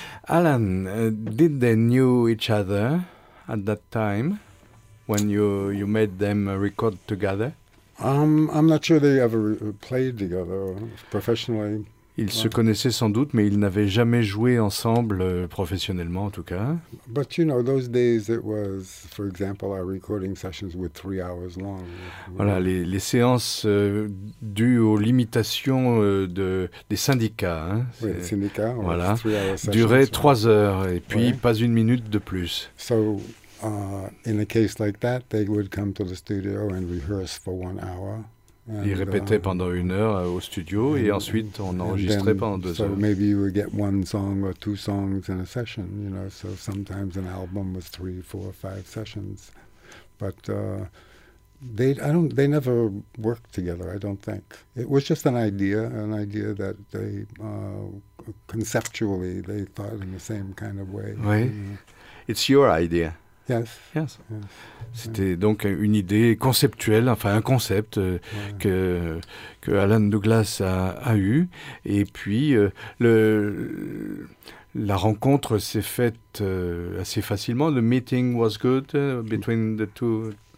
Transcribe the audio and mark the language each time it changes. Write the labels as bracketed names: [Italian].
[English] Alan, did they knew each other at that time when you made them record together? I'm not sure they ever played together professionally. [French] Ils se connaissaient sans doute, mais ils n'avaient jamais joué ensemble professionnellement, en tout cas. [English] But you know, those days it was, for example, our recording sessions were 3 hours long. [French] Voilà, les séances dues aux limitations des syndicats. Hein, oui, syndicats. Voilà. Duraient 3 heures et puis right. Pas une minute de plus. [English] So, in a case like that, they would come to the studio and rehearse for 1 hour. [French] Il répétait pendant une heure au studio et ensuite on enregistrait pendant deux heures. [English] So maybe you would get one song or two songs in a session, you know. So sometimes an album was 3, 4, 5 sessions, but they never worked together. I don't think it was just an idea that they conceptually they thought in the same kind of way. Oui, it's your idea. Yes. Yes. [French] C'était donc une idée conceptuelle, enfin un concept que Alan Douglas a eu. Et puis la rencontre s'est faite assez facilement. [English] The meeting was good between the two.